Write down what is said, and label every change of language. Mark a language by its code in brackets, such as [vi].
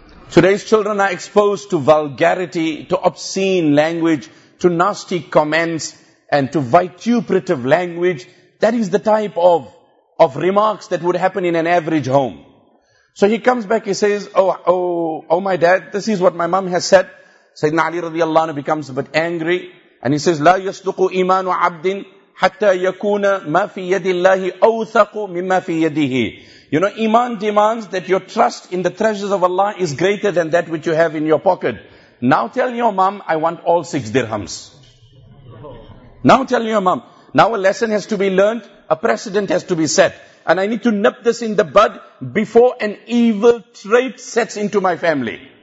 [en] Today's children are exposed to vulgarity, to obscene language, to nasty comments, and to vituperative language. That is the type of of remarks that would happen in an average home. So he comes back, he says, oh, my dad, this is what my mom has said. Sayyidina Ali radiallahu anhu becomes a bit angry. And he says, [ar] لا يصدق إيمان عبد حتى يكون ما في يد الله أوثق مما في يده. [en] You know, iman demands that your trust in the treasures of Allah is greater than that which you have in your pocket. Now tell your mom, I want all 6 dirhams. Now tell your mom. Now a lesson has to be learned, a precedent has to be set. And I need to nip this in the bud before an evil trait sets into my family.